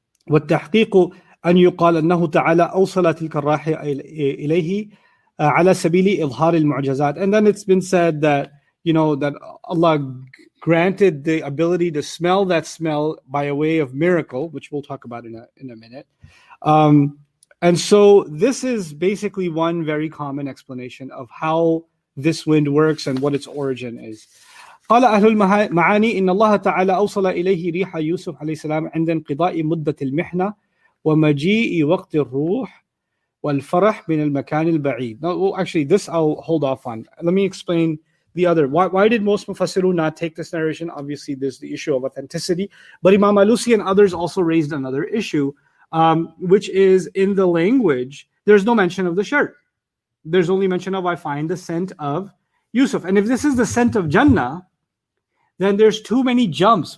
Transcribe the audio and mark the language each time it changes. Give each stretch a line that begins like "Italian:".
Arabic: وَالتَّحْقِيقُ أَنْ يُقَالَ أَنَّهُ تَعَالَى أَوْصَلَ تِلْكَ الرَّاحِيَ إِلَيْهِ عَلَى سَبِيلِ إِظْهَارِ الْمُعْجَزَاتِ,
English: and then it's been said that, you know, that Allah granted the ability to smell that smell by a way of miracle, which we'll talk about in a minute. And so this is basically one very common explanation of how this wind works and what its origin is.
Arabic: قال أهل المعاني إن الله تعالى أوصل إليه ريح يوسف عليه السلام عند انقضاء مدة المحنة ومجيء وقت الروح والفرح من المكان البعيد.
English: Now, well, actually, this I'll hold off on. Let me explain the other. Why did most Mufassirun not take this narration? Obviously, there's the issue of authenticity. But Imam Alusi and others also raised another issue, which is in the language, there's no mention of the shirt. There's only mention of, I find the scent of Yusuf. And if this is the scent of Jannah, then there's too many jumps.